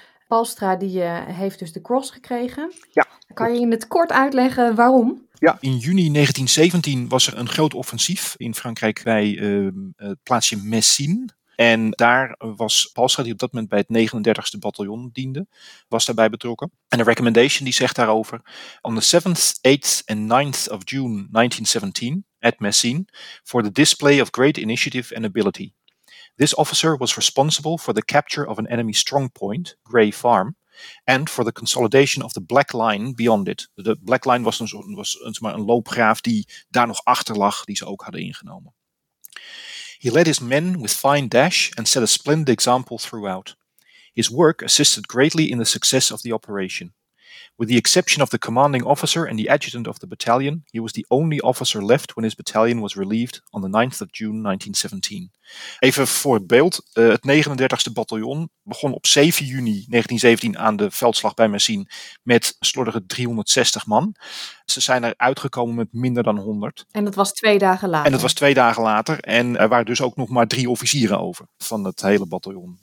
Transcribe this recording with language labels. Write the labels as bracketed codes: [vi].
[nl] Palstra die heeft dus de cross gekregen. Ja. Kan je in het kort uitleggen waarom? Ja, in juni 1917 was er een groot offensief in Frankrijk bij het plaatsje Messines. En daar was Palstra, die op dat moment bij het 39e bataljon diende, was daarbij betrokken. En de recommendation die zegt daarover: [en] on the 7th, 8th and 9th of June 1917 at Messines, for the display of great initiative and ability. This officer was responsible for the capture of an enemy strong point, Grey Farm, and for the consolidation of the Black Line beyond it. [nl] De Black Line was een loopgraaf die daar nog achter lag, die ze ook hadden ingenomen. [en] He led his men with fine dash and set a splendid example throughout. His work assisted greatly in the success of the operation. With the exception of the commanding officer and the adjutant of the battalion, he was the only officer left when his battalion was relieved on the 9th of June 1917. [nl] Even voor het beeld, het 39e bataljon begon op 7 juni 1917 aan de veldslag bij Messines met slordige 360 man. Ze zijn er uitgekomen met minder dan 100. En dat was 2 dagen later. En dat was 2 dagen later. En er waren dus ook nog maar 3 officieren over van het hele bataljon.